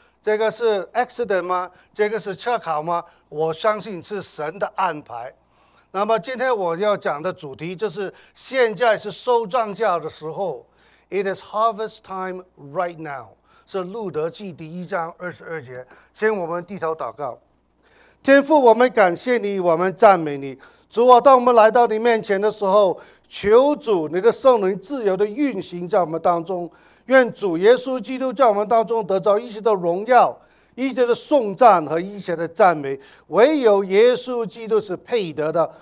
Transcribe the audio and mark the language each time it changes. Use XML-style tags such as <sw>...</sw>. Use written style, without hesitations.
<zh>这个是 accident 吗？这个是恰巧吗？我相信是神的安排。那么今天我要讲的主题就是，现在是收庄稼的时候。</zh> <en>It is harvest time right now，</en> <zh>是路德记第一章二十二节。先我们低头祷告。天父，我们感谢你，我们赞美你。主啊，当我们来到你面前的时候，求主你的圣灵自由地运行在我们当中，愿主耶稣基督在我们当中得到一切的荣耀，一切的颂赞和一切的赞美，唯有耶稣基督是配得的。</zh>